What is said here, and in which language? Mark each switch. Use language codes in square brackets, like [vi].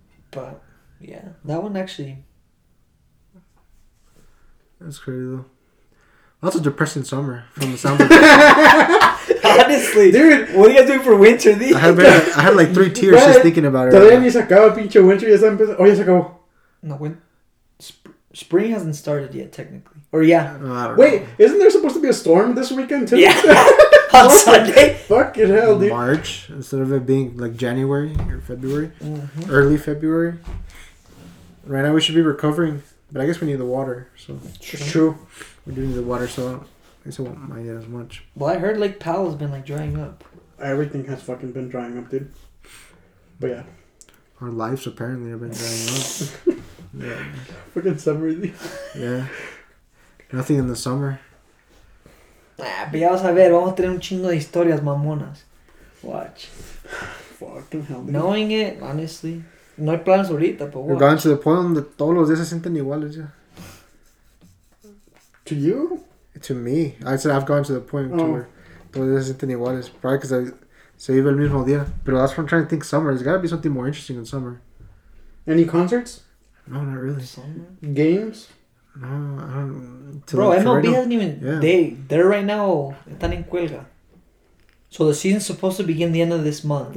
[en] But yeah, that one actually. That's crazy though. That's a depressing summer from the sound of it. Honestly, dude, what are you doing for winter? I had like three tears just thinking about it. [es] Todavía ni se acaba pinche winter y ya se acabó. [en] No, when spring hasn't started yet, technically. Or, yeah. I don't know. Isn't there supposed to be a storm this weekend, too? Yeah. On Sunday? Fucking hell, dude. March, instead of it being, like, January or February. Mm-hmm. Early February. Right now, we should be recovering. But I guess we need the water, so. True. We do need the water, so I guess I won't mind it as much. Well, I heard Lake Powell has been, like, drying up. Everything has fucking been drying up, dude. But, yeah. Our lives apparently have been drying up. Yeah. Fucking summer. Yeah. Nothing in the summer. [es] Ah, pero ya vas a ver, vamos a tener un chingo de historias mamonas. [en] Watch. Fucking hell. Man. Knowing it, honestly. [es] No hay planes ahorita, pero [en] we're going to the point [es] donde todos los días se sienten iguales ya. [en] To you? To me. I said I've gone to the point to where [es] todos los días se sienten iguales. [en] Probably because I [es] se vive el mismo día. [en] Pero that's what I'm trying to think summer. There's got to be something more interesting in summer. Any concerts? No, not really. Summer? Games? No, I don't know. Bro, like, MLB hasn't even... Yeah. They're right now... [es] Están en cuelga. [en] So the season's supposed to begin the end of this month.